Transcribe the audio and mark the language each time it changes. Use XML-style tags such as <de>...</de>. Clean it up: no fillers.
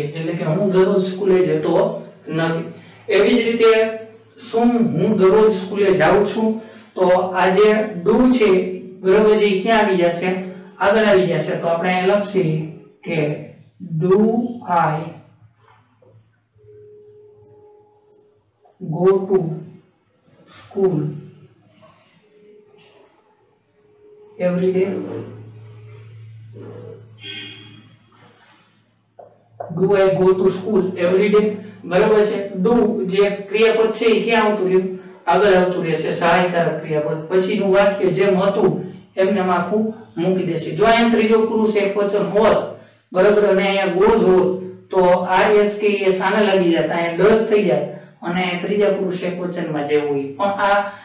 <gu>એટલે કે હું દરરોજ સ્કૂલે જતો નથી એવી જ રીતે શું હું દરરોજ સ્કૂલે જાઉં છું તો આ જે ડુ છે બરોબર જે ક્યાં આવી જશે આગળ આવી જશે તો આપણે અહીં લખશે કે</gu> <en>Do I Go to school every day. Do I go to school every day?</en> <gu>બરાબર છે do જે ક્રિયાપદ છે એ ક્યાં આવતું રહ્યું આગળ આવતું રહેશે સહાયકારક ક્રિયાપદ પછીનું વાક્ય જેમ હતું એમને આખું મૂકી દેશે જો અહીંયા ત્રીજો પુરુષ એકવચન હોત બરાબર અને અહીંયા ગોઝ હોત તો આ એસ કે એસ આને લાગી જતા અહીંયા ડસ થઈ જાય અને ત્રીજા પુરુષ એકવચનમાં જેવું પણ આ</gu>